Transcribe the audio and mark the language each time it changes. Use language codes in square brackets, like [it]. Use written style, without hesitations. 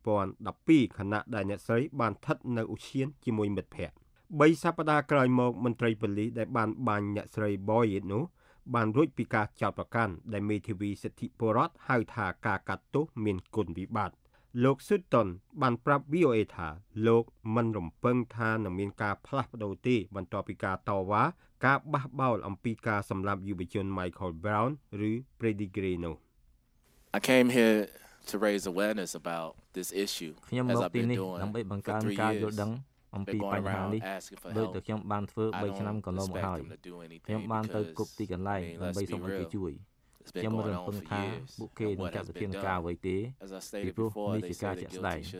[km] 2012ខណៈដែលអ្នកស្រីបានស្ថិតនៅឧឈានជាមួយមិត្តភ័ក្ដិ3សប្តាហ៍ក្រោយមកមន្ត្រីប៉ូលីសដែលបានបាញ់អ្នកស្រីបយនោះបានរួចពីការចោទប្រកាន់ដែលមេធាវីសិទ្ធិពលរដ្ឋហៅថាការកាត់ទោសមានគុណវិបត្តិលោកស៊ូតុនបានប្រាប់ VOA ថាលោកមិនរំពឹងថានឹងមានការផ្លាស់ប្តូរទេបន្ទាប់ពីការតវ៉ាការបះបោលអំពីការសម្លាប់យុវជន Michael Brown ឬ Brady Gray នោះ [en] I came hereto raise awareness about this issue [km] ខ្ញុំមកទីនេះដើម្បីបង្កើនការយល់ដឹងអំពីបញ្ហានេះដោយតែខ្ញុំបានធ្វើ3ឆ្នាំកន្លងមកហើយខ្ញុំបានទៅគប់ទីកន្លែងដើម្បីសុំឲ្យគេជួយខ្ញុំរំពឹងថាពួកគេនឹងចាត់វិធានការអ្វីទេពីព្រោះនេះជាការជាក់ស្ដែង